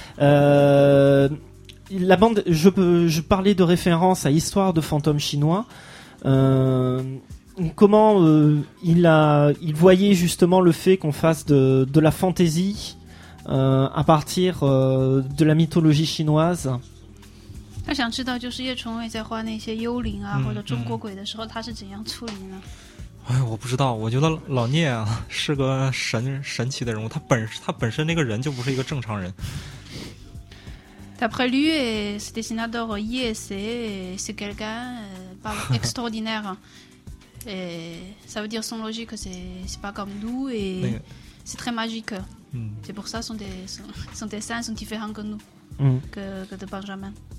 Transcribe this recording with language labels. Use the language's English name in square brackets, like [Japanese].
[French] La bande, je parlais de référence à Histoire de fantômes chinois. Comment il voyait justement le fait qu'on fasse de la fantasy à partir de la mythologie chinoise. [Chinese] 他想知道就是叶崇伟在画那些幽灵啊、嗯、或者中国鬼的时候他是怎样处理呢？哎，我不知道，我觉得老聂啊是个神奇的人物，他本身那个人就不是一个正常人。 [French] D'après lui, ce dessinateur, c'est quelqu'un extraordinaire. Et ça veut dire son logique, c'est pas comme nous et c'est très magique. C'est pour ça que son dessin est différent que nous, que de Benjamin.